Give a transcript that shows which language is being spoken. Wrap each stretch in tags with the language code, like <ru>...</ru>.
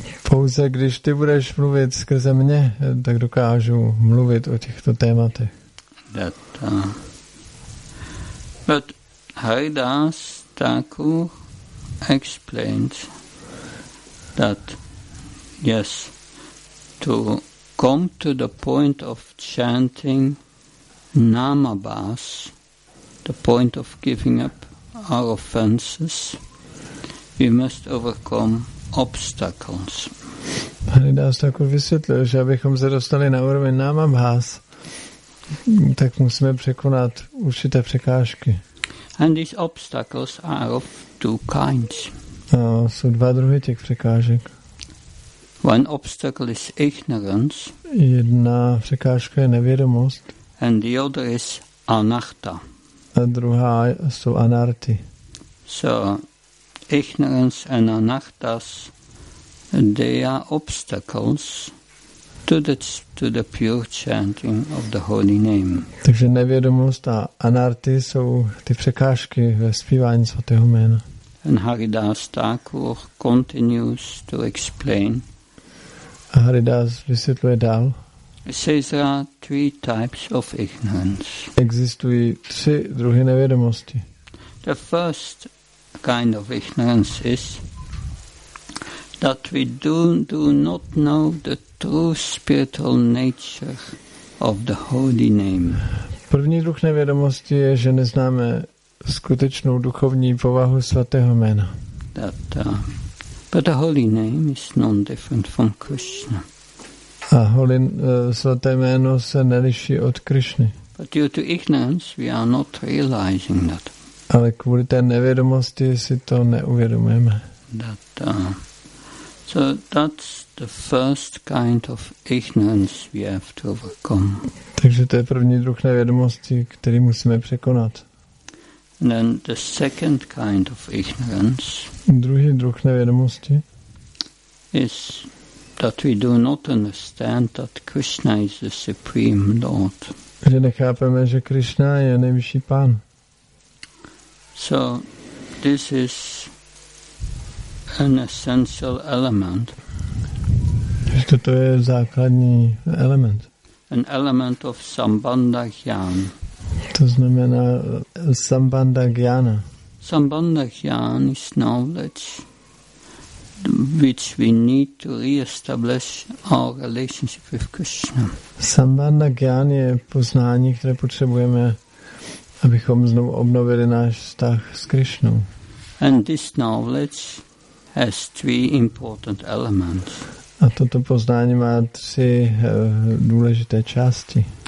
<cs>Pouze když ty budeš mluvit skrze mě, tak dokážu mluvit o těchto tématech.</cs> <en>But Haridas Thakur explains that yes, to come to the point of chanting Namabhas, the point of giving up our offenses, we must overcome obstacles.</en> <cs>Haridas Thakur vysvětlil, že abychom se dostali na úroveň Namabhas, tak musíme překonat určité překážky.</cs> <en>And these obstacles are of two kinds.</en> <cs>Jsou dva druhy těch překážek.</cs> <en>One obstacle is ignorance.</en> <cs>Jedna překážka je nevědomost.</cs> <en>And the other is anartha.</en> <cs>A druhá jsou anarty.</cs> <en>So ignorance and anarthas, they are obstacles to the pure chanting of the holy name.</en> <cs>Takže nevědomost a anarty jsou ty překážky ve zpívání svatého jména.</cs> <en>And Haridas Thakur continues to explain.</en> <cs>A Haridas vysvětluje dál.</cs> <en>Says there are three types of ignorance.</en> <cs>Existují tři druhy nevědomosti.</cs> <en>The first kind of ignorance is that we do not know the true spiritual nature of the holy name.</en> <cs>První druh nevědomosti je, že neznáme skutečnou duchovní povahu svatého jména.</cs> <en>That, but the holy name is non-different from Krishna.</en> <cs>A holy svaté jméno se neliší od Krishny.</cs> <en>But due to ignorance, we are not realizing that.</en> <cs>Ale kvůli té nevědomosti si to neuvědomujeme.</cs> <en>That, so that's the first kind of ignorance we have to overcome.</en> <cs>Takže to je první druh nevědomosti, který musíme překonat.</cs> <en>And then the second kind of ignorance.</en> <cs>Druhý druh nevědomosti.</cs> <en>Is that we do not understand that Krishna is the supreme Lord.</en> <cs>Že nechápeme, že Krishna je nejvyšší pán.</cs> <en>So this is an essential element.</en> <cs>To je základní element.</cs> <en>An element of sambandha jnana.</en> <cs>To znamená sambandha jnana.</cs> <en>Sambandha jnana is knowledge which we need to re-establish our relationship with Krishna.</en> <cs>Sambandha jnana je poznání, které potřebujeme, abychom znovu obnovili náš vztah s Krishnou.</cs> <en>And this knowledge has three important elements.</en> <cs>A toto poznání má tři důležité části.</cs>